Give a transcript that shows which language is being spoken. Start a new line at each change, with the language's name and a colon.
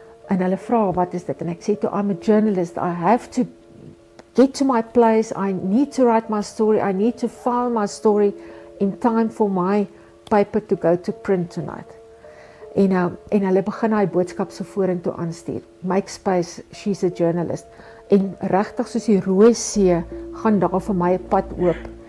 Afrikaans: En hulle vra, wat is dit? En ek sê toe,
English: I'm a journalist, I have to get to my place, I need to write my story, I need to file my story in time for my paper to go to print tonight.
Afrikaans: En hulle begin hy boodskap so vorentoe aanstuur.
English: Make space, she's a journalist.
Afrikaans: En regtig soos die rooi see, gaan daar vir my 'n pad oop.